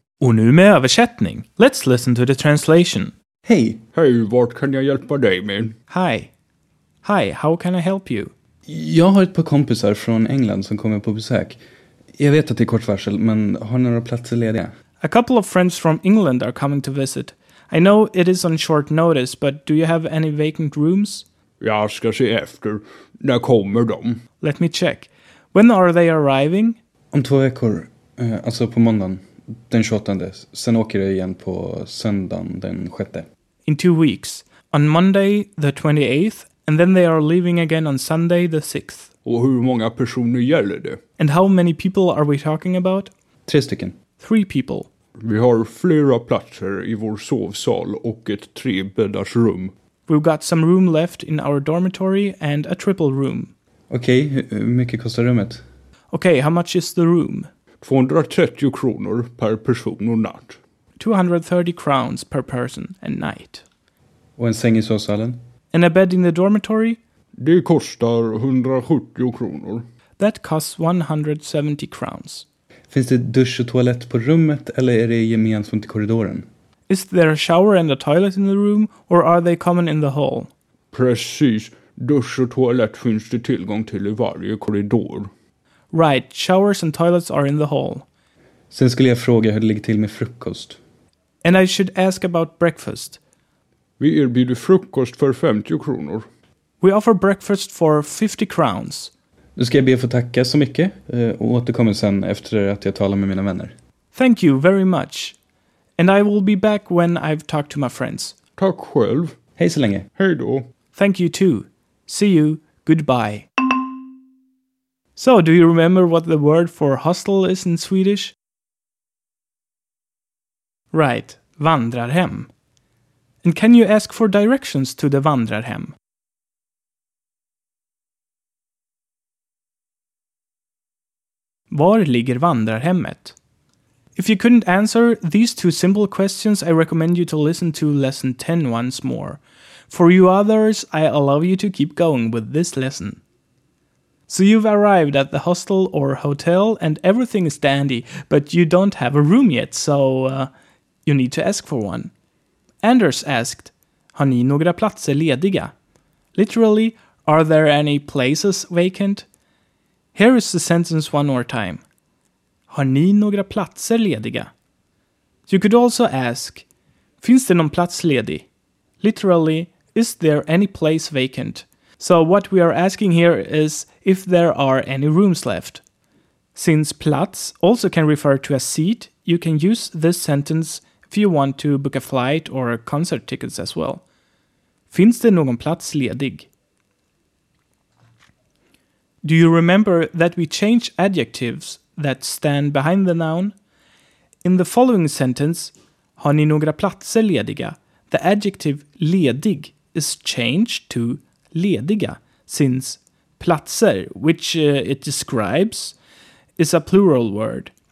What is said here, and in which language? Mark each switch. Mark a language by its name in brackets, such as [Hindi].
[Swedish] Och nu med översättning. [English] Let's listen to the translation. [Swedish] Hej. Hej, vart kan jag hjälpa dig med? [English] Hi. Hi, how can I help you? [Swedish] Jag har ett par kompisar från England som kommer på besök. Jag vet att det är kort varsel, men har ni några platser lediga? [English] A couple of friends from England are coming to visit. I know it is on short notice, but do you have any vacant rooms? [Swedish] Jag ska se efter. När kommer de? [English] Let me check. When are they arriving? [Swedish] Om två veckor, alltså på måndagen, den 28. Sen åker jag igen på söndagen den 6. [English] In 2 weeks. On Monday the 28th, and then they are leaving again on Sunday the 6th. [Swedish] Och hur många personer gäller det? [English] And how many people are we talking about? [Swedish] Tre stycken. [English] Three people. [Swedish] Vi har flera platser i vår sovsal och ett trebäddars rum. [English] We've got some room left in our dormitory and a triple room. [Swedish] Okej, hur mycket kostar rummet? [English] Okay, how much is the room? [Swedish] 230 kronor per person och natt. [English] 230 crowns per person and night. [Swedish] Och en säng i sovsalen? [English] And a bed in the dormitory? [Swedish] Det kostar 170 kronor. [English] That costs 170 crowns. [Swedish] Finns det dusch och toalett på rummet eller är det gemensamt i korridoren? [English] Is there a shower and a toilet in the room or are they common in the hall? [Swedish] Precis, dusch och toalett finns det tillgång till i varje korridor. [English] Right, showers and toilets are in the hall. [Swedish] Sen skulle jag fråga hur det ligger till med frukost. [English] And I should ask about breakfast. [Swedish] Vi erbjuder frukost för 50 kronor. [English] We offer breakfast for 50 crowns. [Swedish] Nu ska jag be att få tacka så mycket och återkommer sen efter att jag talar med mina vänner. [English] Thank you very much. And I will be back when I've talked to my friends. [Swedish] Tack själv. Hej så länge. Hej då. [English] Thank you too. See you. Goodbye. So, do you remember what the word for hostel is in Swedish? Right, vandrarhem. And can you ask for directions to the vandrarhem? [Swedish] Var ligger vandrarhemmet? [English] If you couldn't answer these two simple questions, I recommend you to listen to lesson 10 once more. For you others, I allow you to keep going with this lesson. So you've arrived at the hostel or hotel and everything is dandy, but you don't have a room yet, so you need to ask for one. Anders asked, [Swedish] har ni några platser lediga? [English] Literally, are there any places vacant? Here is the sentence one more time. [Swedish] Har ni några platser lediga? [English] You could also ask, [Swedish] finns det någon plats ledig? [English] Literally, is there any place vacant? So what we are asking here is if there are any rooms left. Since plats also can refer to a seat, you can use this sentence if you want to book a flight or concert tickets as well. [Swedish] Finns det någon plats ledig? [English] Do you remember that we change adjectives that stand behind the noun? In the following sentence, [Swedish] har ni några platser lediga? [English] The adjective ledig is changed to lediga, since platser, which it describes, is a plural word.